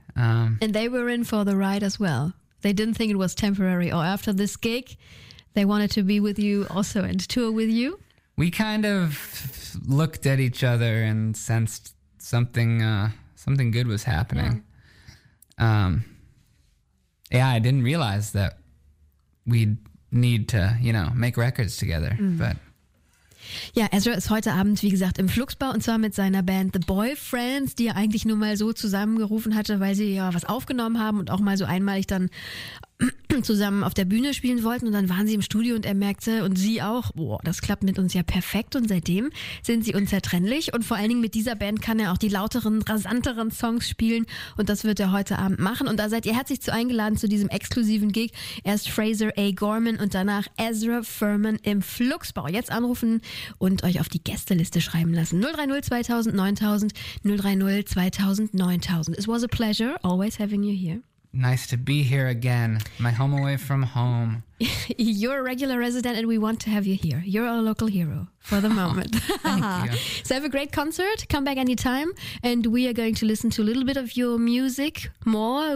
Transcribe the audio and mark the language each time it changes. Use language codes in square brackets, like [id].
[en] And they were in for the ride as well. They didn't think it was temporary or after this gig, they wanted to be with you also and tour with you. We kind of looked at each other and sensed something good was happening. Yeah. I didn't realize that we'd need to, you know, make records together, but... [de] Ja, Ezra ist heute Abend, wie gesagt, im Fluxbau und zwar mit seiner Band The Boyfriends, die er eigentlich nur mal so zusammengerufen hatte, weil sie ja was aufgenommen haben und auch mal so einmalig dann zusammen auf der Bühne spielen wollten und dann waren sie im Studio und er merkte und sie auch, boah, das klappt mit uns ja perfekt und seitdem sind sie unzertrennlich und vor allen Dingen mit dieser Band kann er auch die lauteren, rasanteren Songs spielen und das wird er heute Abend machen und da seid ihr herzlich zu eingeladen zu diesem exklusiven Gig, erst Fraser A. Gorman und danach Ezra Furman im Fluxbau. Jetzt anrufen und euch auf die Gästeliste schreiben lassen. 030 2000 9000 030 2000 9000. [en] It was a pleasure always having you here. Nice to be here again, my home away from home. You're a regular resident and we want to have you here. You're our local hero for the moment. Thank you. So have a great concert. Come back anytime. And we are going to listen to a little bit of your music more.